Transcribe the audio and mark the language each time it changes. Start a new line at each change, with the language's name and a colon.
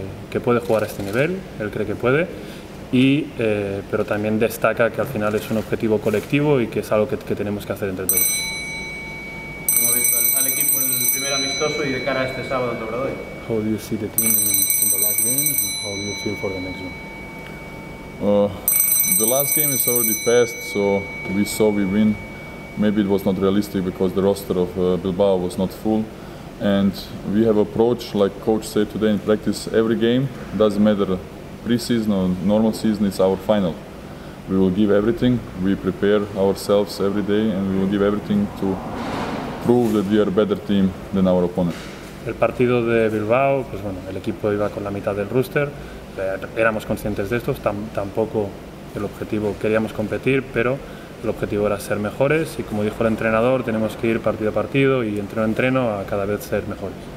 Spanish: Que puede jugar a este nivel, él cree que puede, y pero también destaca que al final es un objetivo colectivo y que es algo que tenemos que hacer entre todos. ¿Cómo ves al equipo en el primer amistoso y de cara a este sábado en Obradoiro?
English: How do you see the team in the last game and how do you feel for the next one? The last game is already passed, so we saw we win. Maybe it was not realistic because the roster of Bilbao was not full. And we have approach, like coach said today in practice, every game, doesn't matter pre-season or normal season, it's our final. We will give everything, we prepare ourselves every day and we will give everything to prove that we are a better team than our opponent.
Spanish: El partido de Bilbao, pues bueno, el equipo iba con la mitad del roster, éramos conscientes de esto, tampoco el objetivo, queríamos competir, pero el objetivo era ser mejores y, como dijo el entrenador, tenemos que ir partido a partido y entreno a entreno a cada vez ser mejores.